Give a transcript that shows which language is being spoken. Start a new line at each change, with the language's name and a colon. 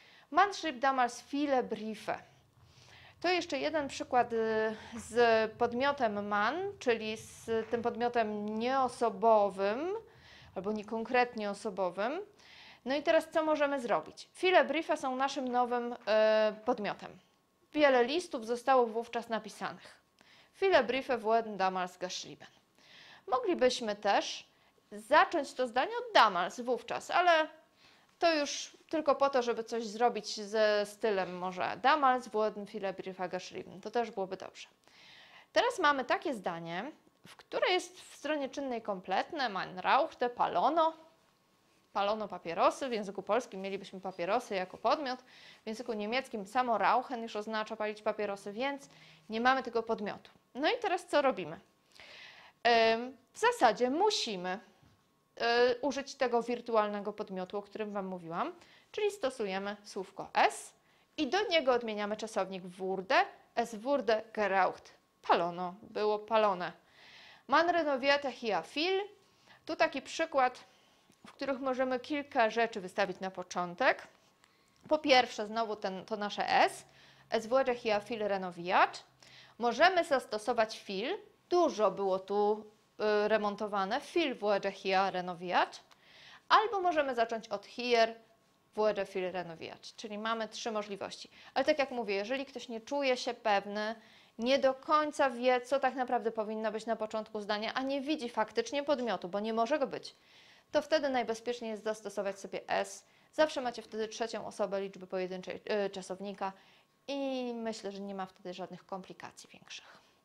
German: Man schrieb damals viele Briefe.
Polish: To jeszcze jeden przykład z podmiotem man, czyli z tym podmiotem nieosobowym albo niekonkretnie osobowym. No i teraz co możemy zrobić?
German: Viele Briefe
Polish: są naszym nowym podmiotem. Wiele listów zostało wówczas napisanych.
German: Viele Briefe wurden damals geschrieben.
Polish: Moglibyśmy też zacząć to zdanie od damals, wówczas, ale To już tylko po to, żeby coś zrobić ze stylem może
German: Damals wurden viele Briefe geschrieben.
Polish: To też byłoby dobrze. Teraz mamy takie zdanie, w które jest w stronie czynnej kompletne,
German: man rauchte,
Polish: palono. Palono papierosy, w języku polskim mielibyśmy papierosy jako podmiot, w języku niemieckim samo rauchen już oznacza palić papierosy, więc nie mamy tego podmiotu. No i teraz co robimy? W zasadzie musimy użyć tego wirtualnego podmiotu, o którym Wam mówiłam, czyli stosujemy słówko es i do niego odmieniamy czasownik wurde,
German: es wurde geraucht,
Polish: palono, było palone.
German: Man renovierte hier viel.
Polish: Tu taki przykład, w których możemy kilka rzeczy wystawić na początek. Po pierwsze, znowu to nasze es.
German: Es wurde hier viel renoviert.
Polish: Możemy zastosować viel. Dużo było tu remontowane.
German: Viel wurde hier renoviert.
Polish: Albo możemy zacząć od
German: hier wurde viel renoviert.
Polish: Czyli mamy trzy możliwości. Ale tak jak mówię, jeżeli ktoś nie czuje się pewny, nie do końca wie, co tak naprawdę powinno być na początku zdania, a nie widzi faktycznie podmiotu, bo nie może go być, to wtedy najbezpieczniej jest zastosować sobie es. Zawsze macie wtedy trzecią osobę liczby pojedynczej czasownika i myślę, że nie ma wtedy żadnych komplikacji większych.